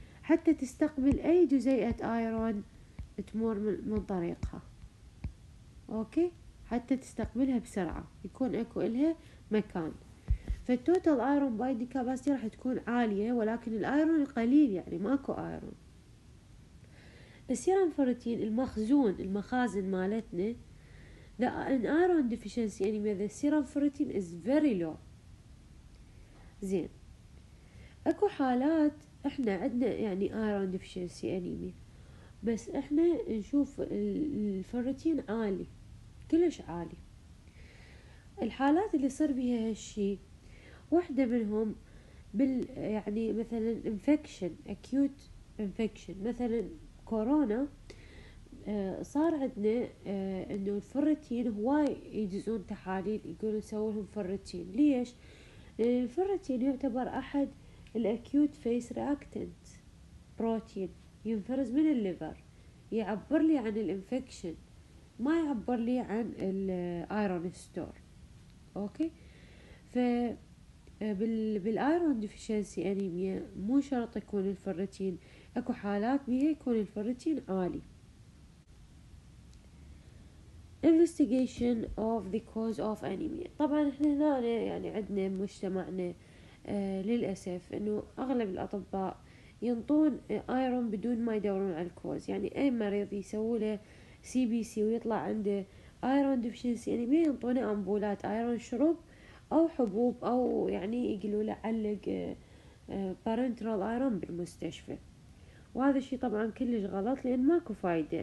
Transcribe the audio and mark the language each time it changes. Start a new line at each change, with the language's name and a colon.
Arabic: حتى تستقبل أي جزيئة آيرون تمر من طريقها، أوكي؟ حتى تستقبلها بسرعة، يكون أكو إلها مكان. فالتوتال آيرون بايدي كاباسيتي راح تكون عالية، ولكن الآيرون قليل، يعني ماكو آيرون. السيرم فورتين المخزون، المخازن مالتنا
English: the iron deficiency anemia the serum ferritin is very low.
Arabic: زين، اكو حالات احنا عندنا يعني iron deficiency anemia بس احنا نشوف الفورتين عالي، كلش عالي. الحالات اللي صار بيها هالشي، واحدة منهم بال يعني مثلا infection acute infection مثلا كورونا، صار عندنا انه الفورتين هواي يجزون تحاليل يقولون سووا لهم فورتين. ليش؟ الفورتين يعتبر احد الاكيوت فيس رياكتنت بروتين، ينفرز من الليفر، يعبر لي عن الانفكشن، ما يعبر لي عن الايرون ستور، اوكي؟ ف بالايرون ديفيشنسي انيميا مو شرط يكون الفورتين، اكو حالات بيها يكون الفورتين عالي.
English: Investigation of the cause of anemia.
Arabic: طبعاً إحنا هنا يعني عندنا مجتمعنا للأسف إنه أغلب الأطباء ينطون آيرون بدون ما يدورون على الكوز، يعني أي مريض يسوي له CBC ويطلع عنده آيرون ديفيشنسي أنيميا ينطونه أمبولات آيرون شروب أو حبوب، أو يعني يقولوا له علق بارنترال آيرون بالمستشفى، وهذا الشيء طبعاً كلش غلط، لأن ماكو فائدة.